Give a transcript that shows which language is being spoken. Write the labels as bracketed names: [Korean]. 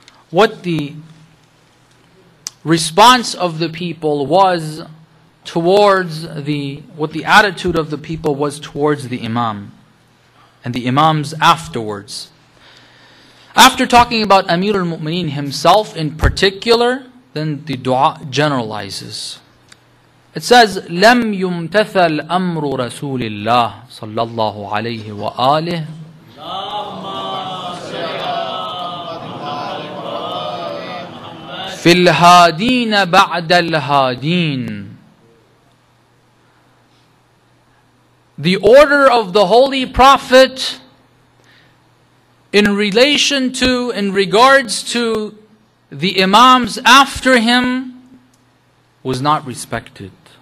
[English] what the response of the people was towards the, what the attitude of the people was towards the imam and the imams afterwards. After talking about Amir al-Mu'mineen himself in particular, then the dua generalizes. It says, [Arabic] لَمْ يُمْتَثَ الْأَمْرُ رَسُولِ اللَّهِ صَلَّى اللَّهُ عَلَيْهِ وَآلِهِ فِي الْهَادِينَ بَعْدَ الْهَادِينَ. [English] The order of the Holy Prophet in relation to, in regards to the imams after him, was not respected.